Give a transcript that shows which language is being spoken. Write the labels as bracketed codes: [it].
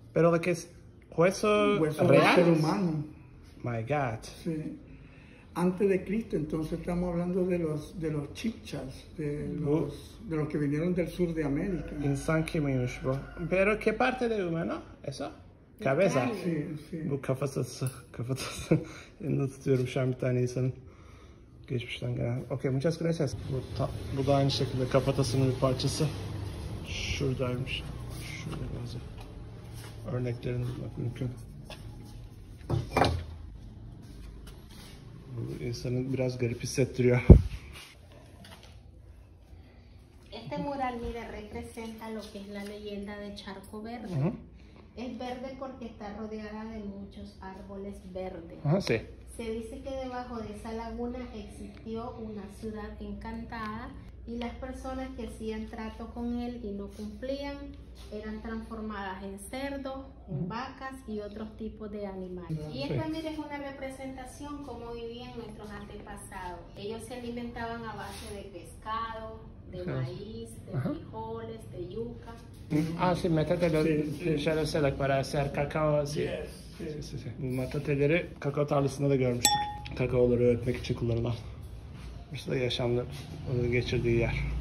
[es] ¿Pero de qué es? ¿Hueso real? Ser humano. [en] My God. [es] Sí. Antes de Cristo, entonces estamos hablando de los chichas, de los que vinieron del sur de América. En San Quimius, bro. ¿Pero qué parte de humano? ¿Eso? ¿Cabeza? Sí, sí. [tr] Bu kafasız. Ne tutuyorum şu an bir tane insanın. Geçmişten gelen. Okay, [es] muchas gracias. [tr] Bu da aynı şekilde kafatasının bir parçası. Şuradaymış. Şurada bazı örneklerini bulmak mümkün. Bu insanı biraz garip hissettiriyor. [es] Este mural mira representa lo que es la leyenda de Charco Verde. Uh-huh. Es verde porque está rodeada de muchos árboles verdes. Ah, sí. Se dice que debajo de esa laguna existió una ciudad encantada y las personas que hacían trato con él y no cumplían eran transformadas en cerdos, en vacas y otros tipos de animales. Y esta mira es una representación como vivían nuestros antepasados. Ellos se alimentaban a base de pescado, de maíz, de frijoles, de yuca. Ah, sí, métetelo, ya lo sé, para hacer cacao, sí. [tr] Bu matateleri kakao tarlasında da görmüştük. Kakaoları öğütmek için kullanılan. İşte de yaşamda onu geçirdiği yer.